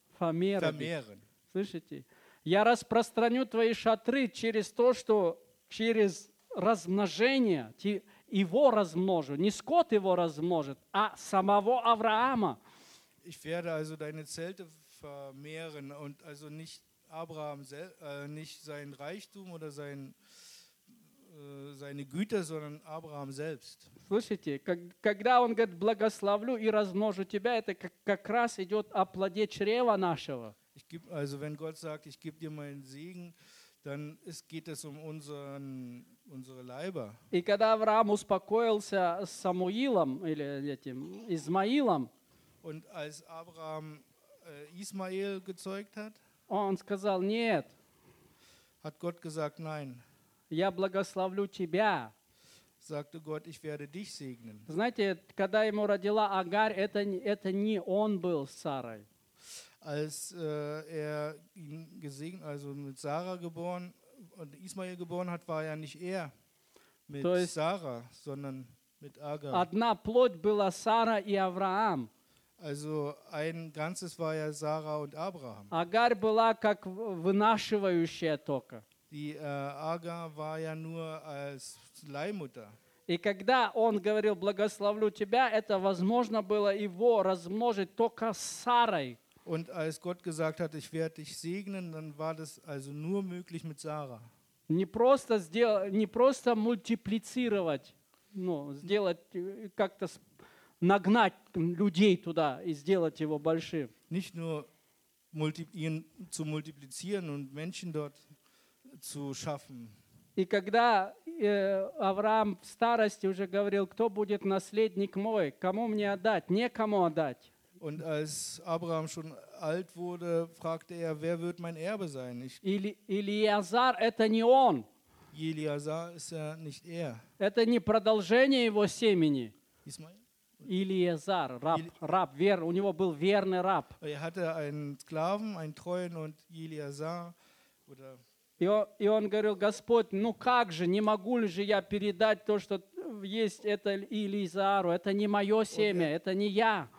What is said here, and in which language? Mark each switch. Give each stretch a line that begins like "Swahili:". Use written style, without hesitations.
German: Vermehren.
Russian: Слышите? Я распространю твои шатры через то, что через размножение его размножу. Не скот его размножит, а самого Авраама.
German: Ich werde also deine Zelte vermehren und also nicht Abraham, nicht sein Reichtum oder seine Güter, sondern Abraham selbst.
Russian: Слышите, когда он говорит, благословлю и размножу тебя, это как раз идет о плоде чрева нашего.
German: Also wenn Gott sagt, ich gebe dir meinen Segen, dann geht es um unsere Leiber.
Russian: И когда Авраам успокоился с Самуилом или этим Исмаилом,
German: und als Abraham Ismael gezeugt hat,
Russian: он сказал нет.
German: Hat Gott gesagt nein.
Russian: Я благословлю тебя.
German: Sagte Gott, ich werde dich segnen.
Russian: Знаете, когда ему родила Агарь, это не он был с Сарой.
German: Als er ihn gesegnet, also mit Sarah geboren und Ismael geboren hat, war ja nicht er mit Sarah, sondern mit Agar.
Russian: Одна плоть была Сара и Авраам.
German: Also ein ganzes war ja Sarah und Abraham.
Russian: Агар была как вынашивающая только.
German: Die Agar war ja nur als Leihmutter.
Russian: И когда он говорил «благословлю тебя», это возможно было его размножить только с Сарой.
German: Und als Gott gesagt hat, ich werde dich segnen, dann war das also nur möglich mit Sarah.
Russian: Не просто мультиплицировать, ну, сделать, как-то нагнать людей туда и сделать его большим.
German: Nicht nur ihn zu multiplizieren und Menschen dort zu schaffen.
Russian: И когда Авраам в старости уже говорил, кто будет наследник мой, кому мне отдать, некому отдать.
German: Und als Abraham schon alt wurde, fragte er, wer wird mein Erbe sein?
Russian: Илиазар это не он.
German: Илиазар ist ja nicht er.
Russian: Это не продолжение его семени. Илиазар, раб, вер, у него был верный раб.
German: Er hatte einen Sklaven, einen treuen, und Илиазар, oder...
Russian: И он говорил, Господь, ну как же, не могу ли же я передать то, что есть это Илиазару, это не мое семя, это не я.